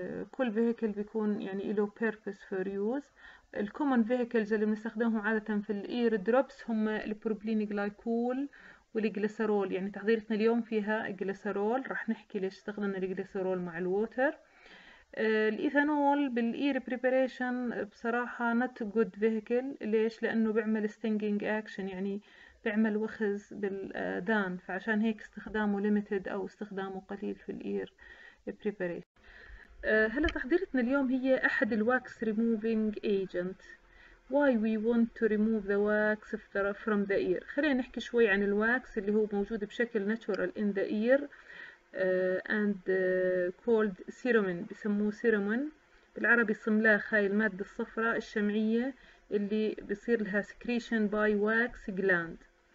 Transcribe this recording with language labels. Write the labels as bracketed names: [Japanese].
[Arabic] كل vehicle بيكون يعني له purpose [English] for use. [Arabic] ال common vehicles اللي بنستخدمهم عادة في ال [English] ear drops [Arabic] هم البروبلين جلايكول والجليسرول. يعني تحضيرتنا اليوم فيها الجليسرول، راح نحكي ليش استخدمنا الجليسرول مع الووتر. الإيثانول بال ear preparation بصراحة [English] not a good vehicle. [Arabic] ليش؟ لأنه بيعمل [English] stinging action، [Arabic] يعني بيعمل وخز بالأذان، فعشان هيك استخدامه limited أو استخدامه قليل في ال ear preparation. هلا تحضيرتنا اليوم هي أحد الواكس [English] wax removing agent. Why we want to remove the wax from the ear. [Arabic] خلينا نحكي شوي عن الواكس اللي هو موجود بشكل [English] natural in the ear and called cinnamon، [Arabic] بسموه cinnamon بالعربي صملاخ، هاي المادة الصفراء الشمعية اللي بصير لها [English] secretion by wax gland.